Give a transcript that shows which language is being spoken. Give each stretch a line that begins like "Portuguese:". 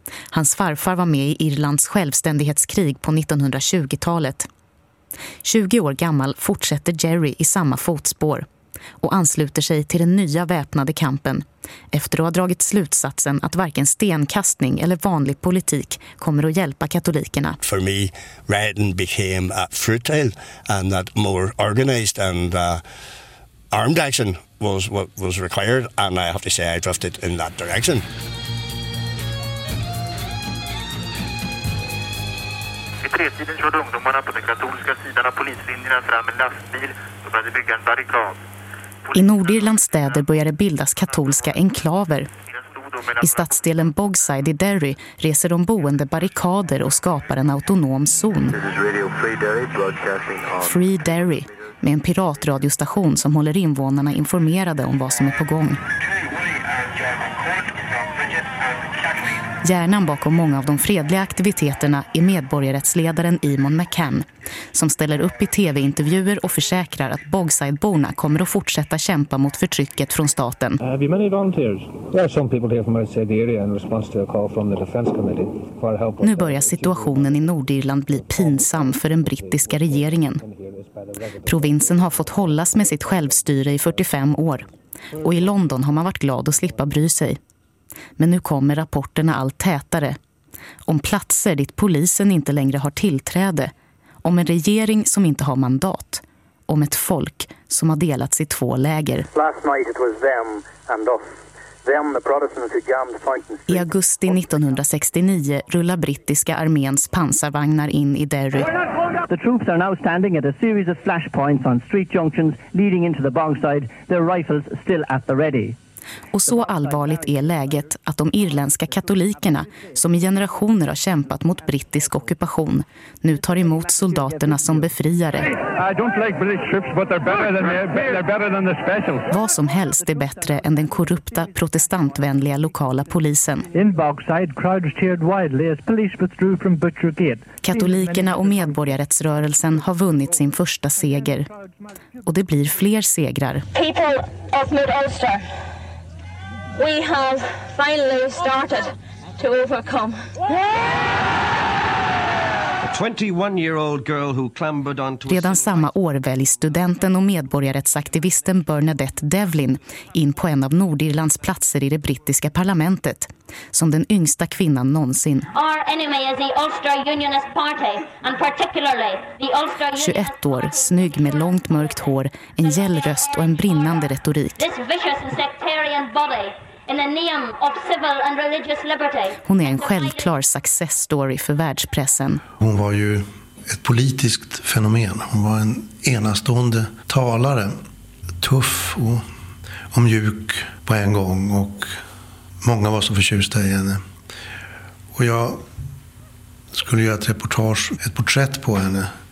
Swedish: Hans farfar var med i Irlands självständighetskrig på 1920-talet. 20 år gammal fortsätter Jerry i samma fotspår och ansluter sig till den nya väpnade kampen efter att ha dragit slutsatsen att varken stenkastning eller vanlig politik kommer att hjälpa katolikerna.
English: For me, rioting became a futile and that more organized and armed action was what was required, and I have to say I drifted in that direction.
Swedish: I tretiden körde ungdomarna på den katolska sidan av polislinjerna fram en lastbil och började bygga en barrikad. I Nordirlands städer började bildas katolska enklaver. I stadsdelen Bogside i Derry reser de boende barrikader och skapar en autonom zon. Free Derry, med en piratradiostation som håller invånarna informerade om vad som är på gång. Hjärnan bakom många av de fredliga aktiviteterna är medborgarrättsledaren Eamon McCann, som ställer upp i tv-intervjuer och försäkrar att Bogside-borna kommer att fortsätta kämpa mot förtrycket från staten.
English: Have you many volunteers? There are some people here from outside the area in response to a call from the defense committee for help.
Swedish: Nu börjar situationen i Nordirland bli pinsam för den brittiska regeringen. Provinsen har fått hållas med sitt självstyre i 45 år. Och i London har man varit glad att slippa bry sig. Men nu kommer rapporterna allt tätare. Om platser dit polisen inte längre har tillträde. Om en regering som inte har mandat. Om ett folk som har delats i två läger. I augusti 1969 rullar brittiska arméns pansarvagnar in i Derry.
English: The troops are now standing at a series of flashpoints on street junctions leading into the Bogside, their rifles still at the ready.
Swedish: Och så allvarligt är läget att de irländska katolikerna, som i generationer har kämpat mot brittisk ockupation, nu tar emot soldaterna som befriare.
English: I don't like British troops, but they're better than the special.
Swedish: Vad som helst är bättre än den korrupta, protestantvänliga lokala polisen.
English: In Bogside, crowds cheered wildly as police withdrew from Butcher Gate.
Swedish: Katolikerna och medborgarrättsrörelsen har vunnit sin första seger. Och det blir fler segrar.
English: People of North Ulster. We have finally started to overcome. A 21-year-old girl who clambered onto.
Swedish: Redan samma år väljs studenten och medborgarrättsaktivisten Bernadette Devlin in på en av Nordirlands platser i det brittiska parlamentet som den yngsta kvinnan någonsin.
English: Our enemy is the Ulster Unionist Party and particularly the Ulster Unionist. 21 år, snygg med långt mörkt hår, en gäll röst och en brinnande retorik. This vicious sectarian body. In the name of civil and religious liberty.
Swedish: Hon är en självklar success story för världspressen. Hon var ju ett politiskt fenomen. Hon var en enastående talare. Tuff och mjuk på en gång. Och många var så förtjusta i henne. Och jag skulle göra ett reportage, ett porträtt på henne.